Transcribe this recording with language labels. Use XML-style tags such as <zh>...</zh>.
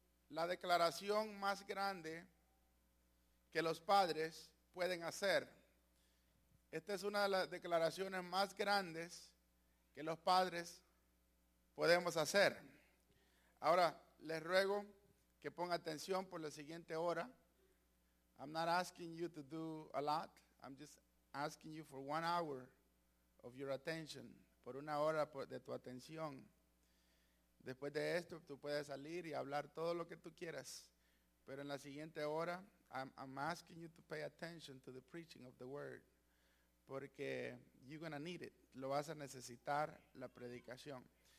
<es>La declaración más grande que los padres pueden hacer. Esta es una de las declaraciones más grandes que los padres podemos hacer. Ahora, les ruego que ponga atención por la siguiente hora.</es> <en>I'm not asking you to do a lot. I'm just asking you for 1 hour of your attention.</en> <es>Por una hora de tu atención. Después de esto, tú puedes salir y hablar todo lo que tú quieras. Pero en la siguiente hora,</es> <en>I'm asking you to pay attention to the preaching of the word.</en> <es>Porque</es> <en>you're gonna need it.</en> <es>Lo vas a necesitar, la predicación.</es>